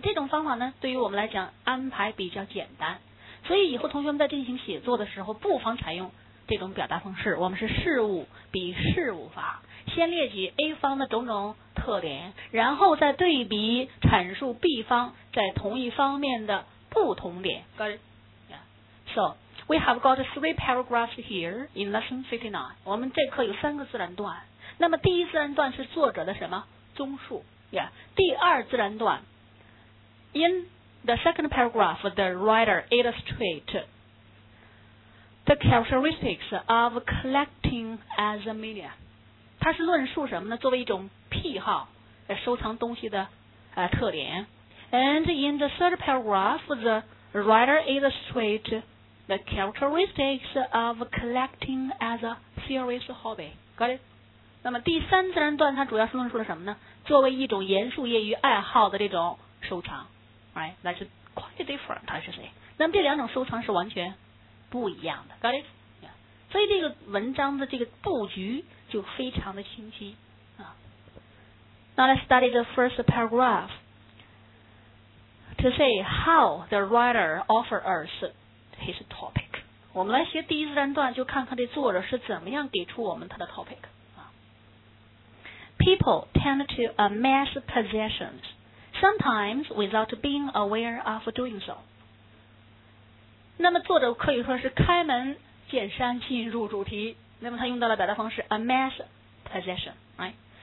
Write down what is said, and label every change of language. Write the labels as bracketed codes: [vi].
[zh] 这种方法呢对于我们来讲安排比较简单，所以以后同学们在进行写作的时候不妨采用这种表达方式，我们是事物比事物法，先列举 A 方的种种特点，然后再对比阐述 B 方在同一方面的不同点。 [en] Got it? So we have got three paragraphs here in lesson 59. [zh] 我们这课有三个自然段，那么第一自然段是作者的什么综述、yeah. 第二自然段 [en] inThe second paragraph, the writer illustrated the characteristics of collecting as a media. [zh] 它是论述什么呢？作为一种癖好，收藏东西的特点。 [en] And in the third paragraph, the writer illustrated the characteristics of collecting as a serious hobby. Got it? [zh] 那么第三自然段它主要是论述了什么呢？作为一种严肃业余爱好的这种收藏。 [en] Right, that's quite different, I should say. [zh] 那么这两种收藏是完全不一样的 [en] ，got it?、Yeah. [zh] 所以这个文章的这个布局就非常的清晰啊。 [en] Now let's study the first paragraph to say how the writer offers us his topic. [zh] 我们来学第一自然段，就看看这作者是怎么样给出我们他的 topic 啊。 [en] People tend to amass possessions. Sometimes without being aware of doing so. [zh] 那么作者可以说是开门见山进入主题，那么他用到了表达方式 amass possession, right?